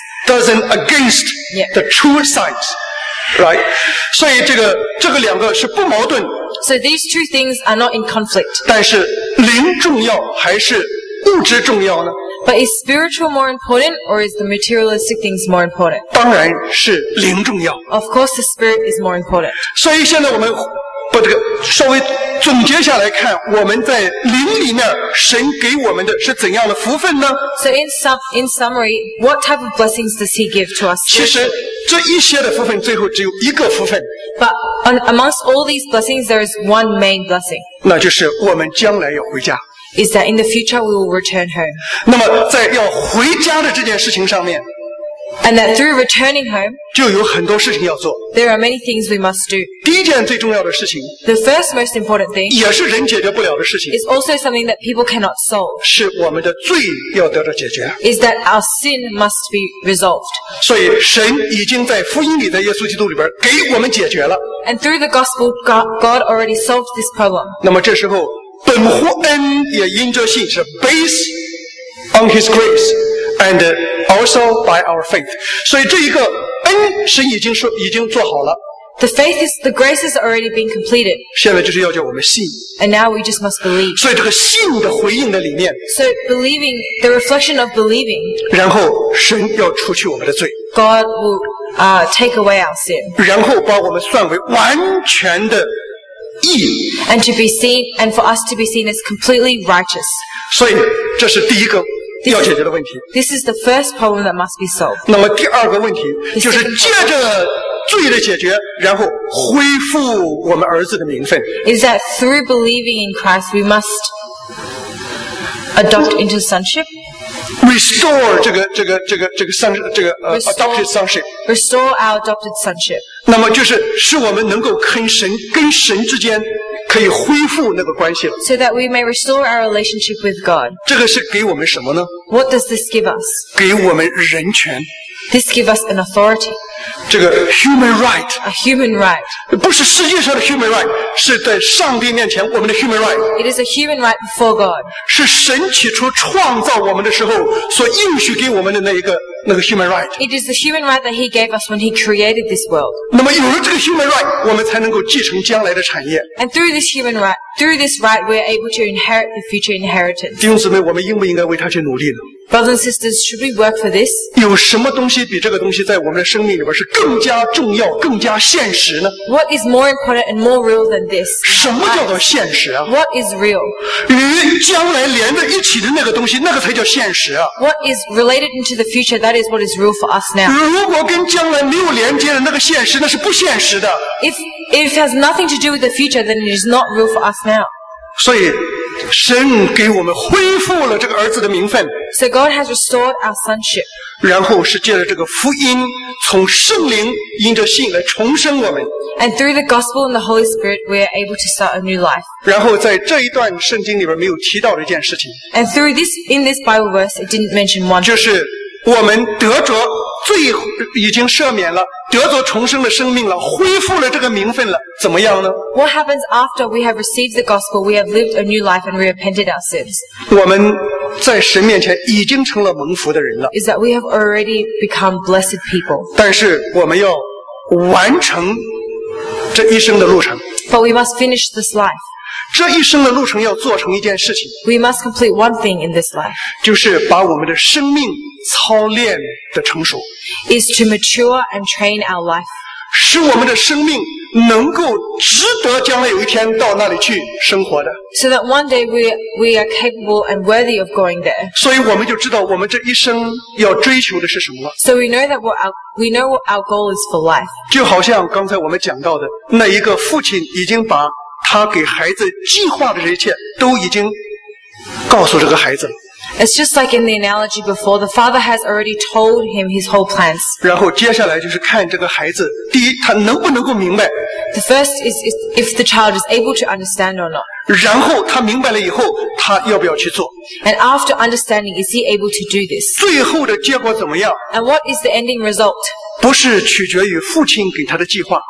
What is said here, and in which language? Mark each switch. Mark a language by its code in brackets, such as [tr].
[en] Doesn't against the true science, right? [zh] 所以这个两个是不矛盾。 [en] So these two things are not in conflict. [zh] 但是灵重要还是物质重要呢？ [en] But is spiritual more important or is the materialistic things more important? [zh] 当然是灵重要。 [en] Of course the spirit is more important. [zh] 所以现在我们把这个稍微总结下来看我们在灵里面神给我们的是怎样的福分呢? [en] So in summary, what type of blessings does he give to us? [zh] 其实这一些的福分最后只有一个福分。 [en] But amongst all these blessings, there is one main blessing. [zh] 那就是我们将来要回家。 [en] Is that in the future we will return home? [zh] 那么在要回家的这件事情上面 [en] And that through returning home [zh] 就有很多事情要做 [en] There are many things we must do [zh] 第一件最重要的事情 [en] The first most important thing [zh] 也是人解决不了的事情 [en] Is also something that people cannot solve [zh] 是我们的罪要得到解决 [en] Is that our sin must be resolved [zh] 所以神已经在福音里的耶稣基督里边给我们解决了 [en] And through the gospel God already solved this problem [zh] 那么这时候本乎恩也因着信是 [en] based on his grace and also by our faith [zh] 所以这一个恩是已经做好了 [en] the, faith is, the grace has already been completed [zh] 现在就是要叫我们信 [en] and now we just must believe [zh] 所以这个信的回应的里面 [en] so believing the reflection of believing [zh] 然后神要除去我们的罪 [en] God will take away our sin [zh] 然后把我们算为完全的 [en] And to be seen, and for us to be seen as completely righteous. [zh] 所以这是第一个要解决的问题。 [en] This is the first problem that must be solved. [zh] 那么第二个问题就是借着罪的解决，然后恢复我们儿子的名分。 [en] Is that through believing in Christ we must adopt into sonship? Restore [zh] 这个 [en] adopted sonship. Restore our adopted sonship. [zh] 那么就是使我们能够跟神之间可以恢复那个关系了。 [en] So that we may restore our relationship with God. [zh] 这个是给我们什么呢 [en] ？What does this give us? [zh] 给我们人权。 [en] This gives us an authority. [zh] 这个 [en] human right. A human right. [zh] 不是世界上的 human right， 是在上帝面前我们的 human right. [en] It is a human right before God. [zh] 是神起初创造我们的时候所应许给我们的那个 human right. [en] It is the human right that he gave us when he created this world. [zh] 那么有了这个 human right， 我们才能够继承将来的产业。 [en] And through this human right, through this rite, we are able to inherit the future inheritance. [zh] 弟兄姊妹，我们应不应该为他去努力呢？ [en] Brothers and sisters, should we work for this? [zh] 有什么东西比这个东西在我们的生命里边是更加重要、更加现实呢？ [en] What is more important and more real than this? [zh] 什么叫做现实啊？ [en] What is real? [zh] 与将来连在一起的那个东西，那个才叫现实啊。 [en] What is related into the future? That is what is real for us now. [zh] 如果跟将来没有连接的那个现实，那是不现实的。 [en] If it has nothing to do with the future, then it is not real for us now. [zh] 所以神给我们恢复了这个儿子的名分。 [en] So God has restored our sonship. [zh] 然后是借着这个福音，从圣灵因着信来重生我们。 [en] And through the gospel and the Holy Spirit, we are able to start a new life. [zh] 然后在这一段圣经里边没有提到的一件事情。 [en] And through this, in this Bible verse, it didn't mention one. [zh] 就是我们得着罪已经赦免了。得着重生的生命了，恢复了这个名分了，怎么样呢？ [en] What happens after we have received the gospel, we have lived a new life and repented our sins? [zh] 我们在神面前已经成了蒙福的人了。 [en] Is that we have already become blessed people? [zh] 但是我们要完成这一生的路程。 [en] But we must finish this life. [zh] 这一生的路程要做成一件事情。 [en] We must complete one thing in this life. [zh] 就是把我们的生命操练的成熟。 [en] Is to mature and train our life. [zh] 使我们的生命能够值得将来有一天到那里去生活的。 [en] So that one day we are capable and worthy of going there. [zh] 所以我们就知道我们这一生要追求的是什么了。 [en] So we know that what our goal is for life. [zh] 就好像刚才我们讲到的，那一个父亲已经把他给孩子计划的这一切都已经告诉这个孩子了。 [en] It's just like in the analogy before, the father has already told him his whole plans. [zh] 然后接下来就是看这个孩子，第一，他能不能够明白。 [en] The first is if the child is able to understand or not. [zh] 然后他明白了以后，他要不要去做。 [en] And after understanding, is he able to do this? [zh] 最后的结果怎么样？ [en] And what is the ending result? [zh] 不是取决于父亲给他的计划。